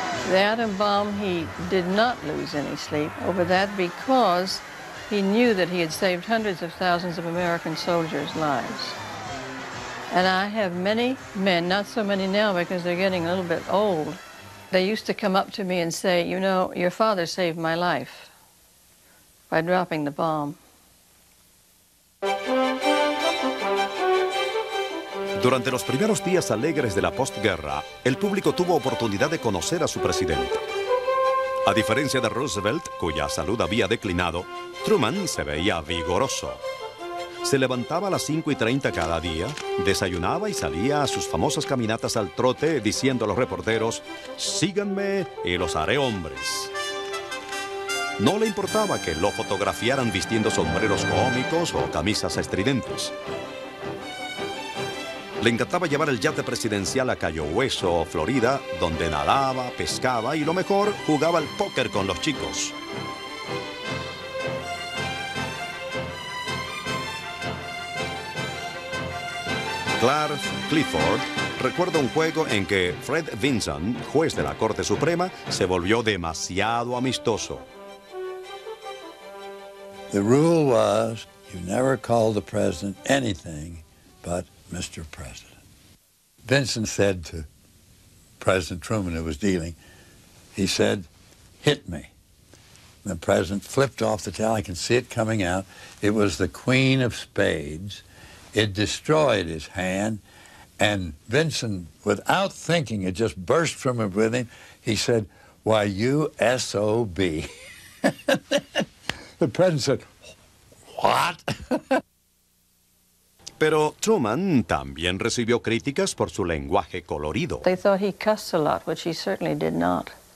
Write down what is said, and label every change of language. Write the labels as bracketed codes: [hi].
[en] The atom bomb, he did not lose any sleep over that because he knew that he had saved hundreds of thousands of American soldiers' lives. And I have many men, not so many now because they're getting a little bit old, they used to come up to me and say, you know, your father saved my life by dropping the bomb. [es] Durante los primeros días alegres de la postguerra, el público tuvo oportunidad de conocer a su presidente. A diferencia de Roosevelt, cuya salud había declinado, Truman se veía vigoroso. Se levantaba a las 5:30 cada día, desayunaba y salía a sus famosas caminatas al trote diciendo a los reporteros, «Síganme y los haré hombres». No le importaba que lo fotografiaran vistiendo sombreros cómicos o camisas estridentes. Le encantaba llevar el yate presidencial a Cayo Hueso, Florida, donde nadaba, pescaba y, lo mejor, jugaba al póker con los chicos. Clark Clifford recuerda un juego en que Fred Vinson, juez de la Corte Suprema, se volvió demasiado amistoso. [en] The rule was, you never call the president anything but Mr. President. Vinson said to President Truman, who was dealing, he said, hit me. The president flipped off the tail. I can see it coming out. It was the queen of spades. It destroyed his hand. And Vinson, without thinking, it just burst from him with him. He said, why, you S.O.B. The president said, what? [es] Pero Truman también recibió críticas por su lenguaje colorido. [en] They thought he cussed a lot, which he certainly did not.